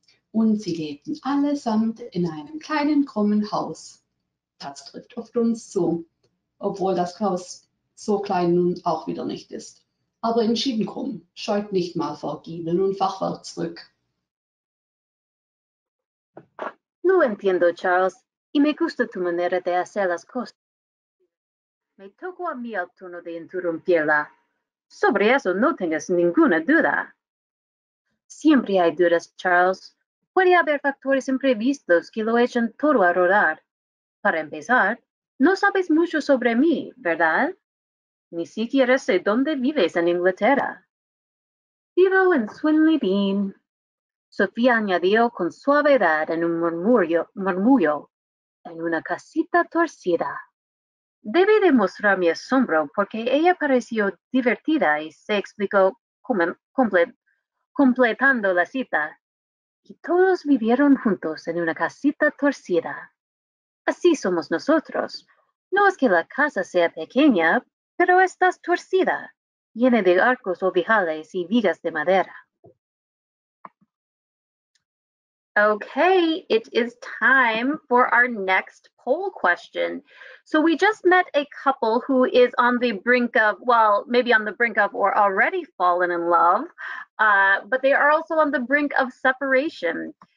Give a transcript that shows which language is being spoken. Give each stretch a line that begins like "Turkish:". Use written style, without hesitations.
German: Und sie lebten allesamt in einem kleinen, krummen Haus. Das trifft oft uns zu, obwohl das Haus so klein nun auch wieder nicht ist. Aber entschieden krumm, scheut nicht mal vor Giebeln und Fachwerk zurück.
Spanish: Lo entiendo, Charles. Y me gusta tu manera de hacer las cosas. Me tocó a mí el turno de interrumpirla. Sobre eso no tengas ninguna duda. Siempre hay dudas, Charles. Puede haber factores imprevistos que lo echen todo a rodar. Para empezar, no sabes mucho sobre mí, ¿verdad? Ni siquiera sé dónde vives en Inglaterra. Vivo en Swinley Dean. Sofía añadió con suavidad en un murmullo. En una casita torcida. Debe demostrar mi asombro porque ella pareció divertida y se explicó completando la cita. Y todos vivieron juntos en una casita torcida. Así somos nosotros. No es que la casa sea pequeña, pero estás torcida, llena de arcos o ojales y vigas de madera.
English: Okay, it is time for our next poll question. So we just met a couple who is on the brink of, well, maybe on the brink of or already fallen in love, but they are also on the brink of separation.